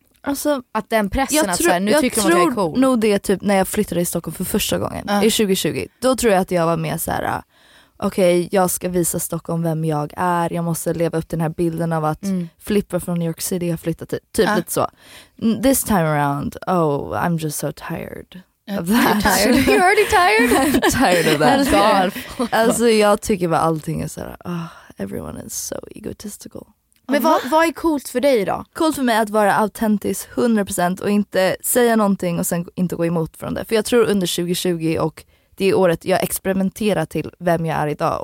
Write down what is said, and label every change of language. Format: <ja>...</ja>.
<sv>Alltså, att den pressen att så här, nu tycker man att jag är cool. Jag tror nog det typ när jag flyttade i Stockholm för första gången i 2020. Då tror jag att jag var mer så här, okej, jag ska visa Stockholm vem jag är. Jag måste leva upp den här bilden av att flippa från New York City och flytta till typ lite så.</sv> <en>This time around, oh, I'm just so tired of that. You're already tired? I'm tired of that. God.</en> <sv>Alltså jag tycker bara allting är så här,</sv> <en>oh, everyone is so egotistical.</en> <sv>Men vad är coolt för dig då? Coolt för mig att vara autentisk 100% och inte säga någonting och sen inte gå emot från det. För jag tror under 2020 och det året jag experimenterade till vem jag är idag.</sv>